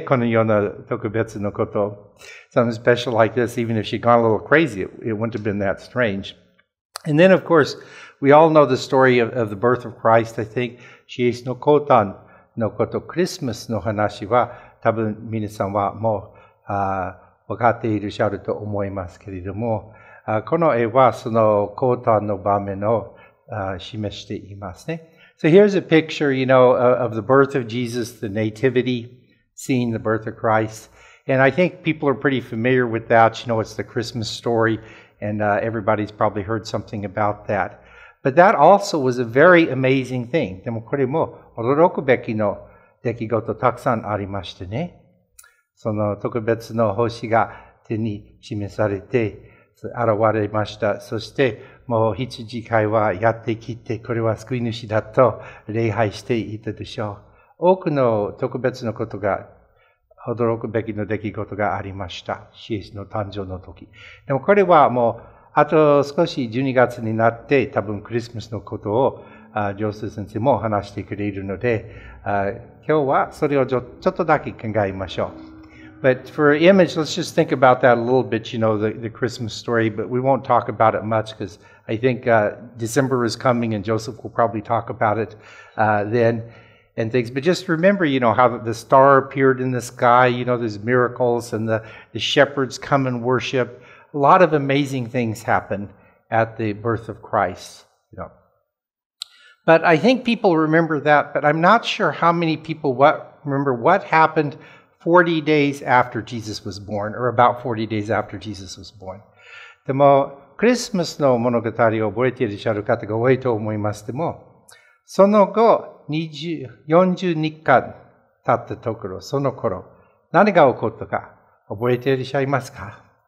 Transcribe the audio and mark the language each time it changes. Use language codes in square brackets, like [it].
[ja] このような特別のこと。 [en] Something special like this, even if she'd gone a little crazy, it wouldn't have been that strange. And then, of course, we all know the story of the birth of Christ, I think. [ja] 主イエスの降誕のこと、クリスマスの話は多分皆さんはもう分かっていらっしゃると思いますけれども、この絵はその降誕の場面を示していますね。 [en] So here's a picture, you know, of the birth of Jesus, the nativity, seeing the birth of Christ. And I think people are pretty familiar with that. You know, it's the Christmas story, and everybody's probably heard something about that. But that also was a very amazing thing. [ja] でもこれも驚くべきの出来事たくさんありましたね。その特別の星が手に示されて現れました。そしてもう羊飼いはやってきて、これは救い主だと礼拝していたでしょう。多くの特別のことが、驚くべきの出来事がありました。シエスの誕生の時。でもこれはもう、あと少し12月になって、多分クリスマスのことを、ジョセフ先生も話してくれるので、今日はそれをちょっとだけ考えましょう。 [en] But for image, let's just think about that a little bit, you know, the Christmas story, but we won't talk about it much because I think December is coming and Joseph will probably talk about it then and things. But just remember, you know, how the star appeared in the sky, you know, there's miracles and the shepherds come and worship. A lot of amazing things happen at the birth of Christ, you know. But I think people remember that, but I'm not sure how many people remember what happened 40 days after Jesus was born, or about 40 days after Jesus was born. [ja] でも、クリスマスの物語を覚えていらっしゃる方が多いと思います。でも、その後、40日間経ったところ、その頃、何が起こったか覚えていらっしゃいますか?